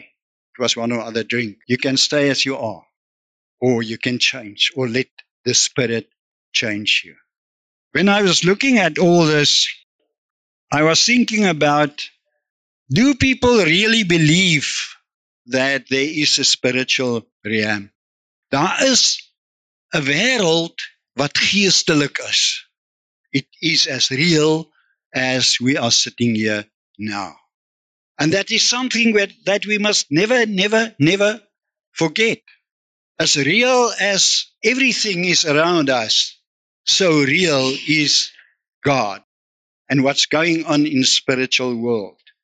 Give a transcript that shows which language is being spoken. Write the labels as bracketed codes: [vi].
[en] It was one or other drink. You can stay as you are, or you can change, or let the Spirit change you. When I was looking at all this, I was thinking about, do people really believe that there is a spiritual realm? [af] Daar is 'n wêreld wat geestelik is. [en] It is as real as we are sitting here now. And that is something that we must never, never, never forget. As real as everything is around us, so real is God and what's going on in the spiritual world.